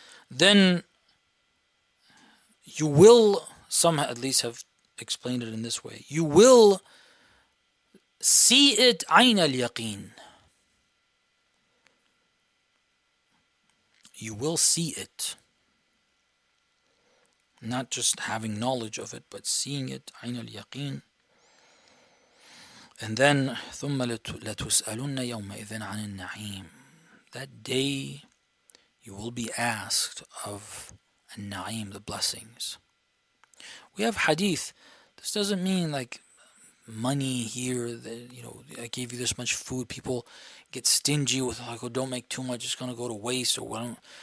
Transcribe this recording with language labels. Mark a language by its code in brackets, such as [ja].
[en] Then you will, some at least have explained it in this way, you will see it [ar] عَيْنَ الْيَقِينِ. [en] You will see it. Not just having knowledge of it, but seeing it, [ar] عَيْنَ الْيَقِينِ. [en] And then, [ar] ثُمَّ لَتُسْأَلُنَّ يَوْمَئِذٍ عَنِ النَّعِيمِ. [en] That day, you will be asked of النَّعِيمِ, the blessings. We have hadith. This doesn't mean like money here, that, you know, I gave you this much food. People get stingy with like, oh, don't make too much, it's going to go to waste. Or whatever.